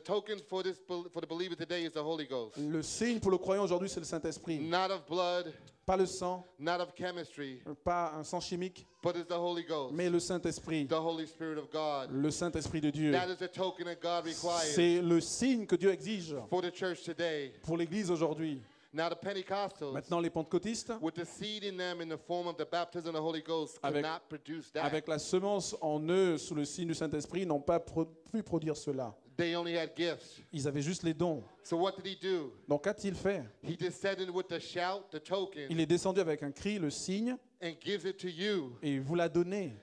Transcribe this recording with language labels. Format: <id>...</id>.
<en>token for the believer today is the Holy Ghost.</en> <fr>Le signe pour le croyant aujourd'hui, c'est le Saint-Esprit.</fr> <en>Not of blood.</en> <fr>Pas le sang.</fr> <en>Not of chemistry.</en> <fr>Pas un sang chimique.</fr> <en>But it's the Holy Ghost.</en> <fr>Mais le Saint-Esprit.</fr> <en>The Holy Spirit of God.</en> <fr>Le Saint-Esprit de Dieu.</fr> <en>That is the token that God requires.</en> <fr>C'est le signe que Dieu exige.</fr> <en>For the church today.</en> <fr>Pour l'Église aujourd'hui.</fr> <en>Now the Pentecostals,</en> <fr>maintenant les pentecôtistes,</fr> <en>with the seed in them in the form of the baptism of the Holy Ghost, cannot produce that.</en> <fr>Avec la semence en eux sous le signe du Saint-Esprit, n'ont pas pu produire cela.</fr> <en>They only had gifts.</en> <fr>Ils avaient juste les dons.</fr> <en>So what did he do?</en> <fr>Donc qu'a-t-il fait?</fr> <en>He descended with the shout, the token.</en> <fr>Il est descendu avec un cri, le signe.</fr> <en>And gives it to you.</en> <fr>Et il vous l'a donné.</fr>